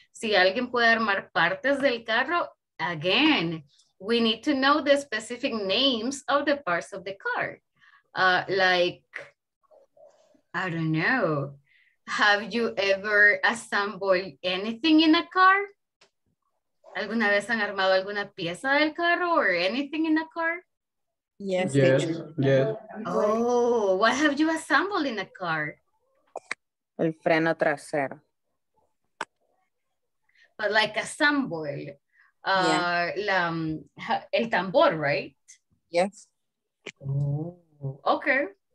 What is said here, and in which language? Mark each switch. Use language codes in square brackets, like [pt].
[en] Si alguien puede armar partes del carro, again, we need to know the specific names of the parts of the car. Like, I don't know, have you ever assembled anything in a car? [es] ¿Alguna vez han armado alguna pieza del carro or anything in a car? [en] Yes. Yes. Oh, what have you assembled in a car? [es] El freno trasero. [en] But like a sambol, el tambor, right? Yes. Oh. Okay.